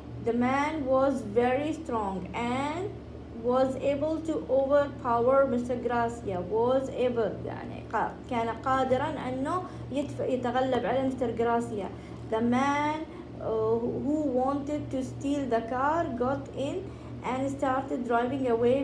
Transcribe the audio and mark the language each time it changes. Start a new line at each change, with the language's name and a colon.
English: The man was very strong and was able to overpower Mr. Garcia. Was able،
Arabic: يعني كان قادرا أنه يتغلب على Mr.
English: Garcia. The man who wanted to steal the car got in and started driving away.